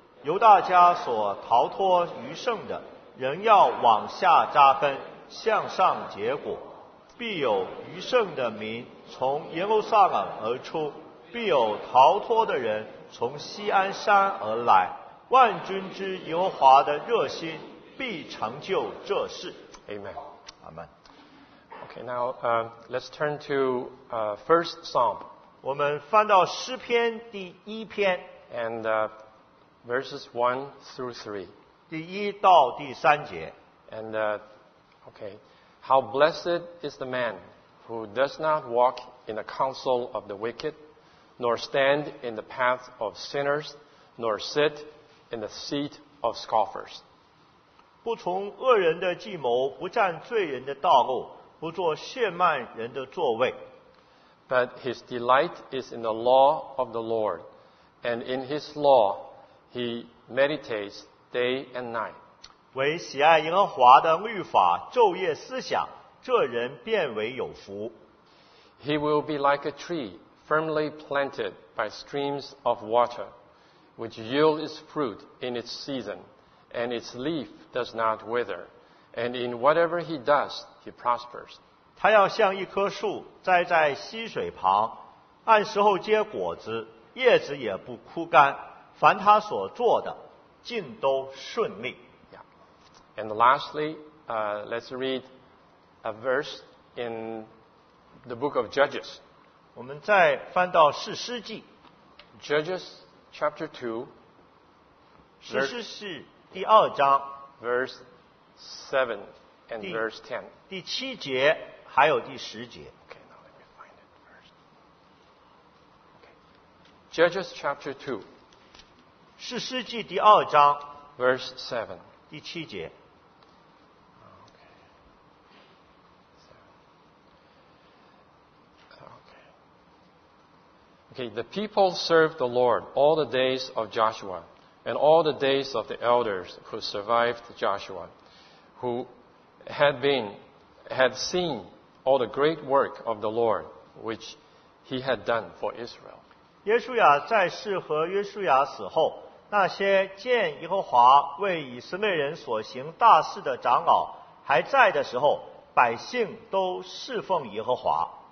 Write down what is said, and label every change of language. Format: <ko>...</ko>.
<zh>由大家所逃脱余剩的，仍要往下扎根，向上结果。必有余剩的民从耶路撒冷而出，必有逃脱的人从锡安山而来。万军之耶和华的热心必成就这事。</zh> <en>Amen. Amen. Okay, now let's turn to first Psalm.</en> <zh>我们翻到诗篇第一篇。</zh> <en>And verses 1 through 3.</en> <zh>第一到第三节。</zh> <en>And how blessed is the man who does not walk in the counsel of the wicked, nor stand in the path of sinners, nor sit in the seat of scoffers.</en> <zh>不从恶人的计谋，不占罪人的道路，不做亵慢人的座位。</zh> <en>But his delight is in the law of the Lord, and in his law he meditates day and night.</en> <zh>为喜爱耶和华的律法，昼夜思想，这人变为有福。</zh> <en>He will be like a tree firmly planted by streams of water, which yield its fruit in its season. And its leaf does not wither. And in whatever he does, he prospers.</en> <zh>他要像一棵树栽在溪水旁，按时候结果子，叶子也不枯干。凡他所做的，尽都顺利。</zh> <en>Yeah. And lastly, let's read a verse in the book of Judges.</en> <zh>我们再翻到士师记。</zh> <en>Judges chapter 2.</en> <zh>士师记。第二章</zh> <en>verse 7 and verse 10,</en> <zh>第七节还有第十节。</zh> <en>Okay, now let me find it first. Okay. Judges chapter 2,</en> <zh>士师记第二章</zh> <en>verse 7,</en> <zh>第七节。</zh> <en>Okay, the people served the Lord all the days of Joshua. And all the days of the elders who survived Joshua, who had seen all the great work of the Lord, which he had done for Israel.</en> <zh>约书亚在世和约书亚死后，那些见耶和华为以色列人所行大事的长老还在的时候，百姓都侍奉耶和华。</zh>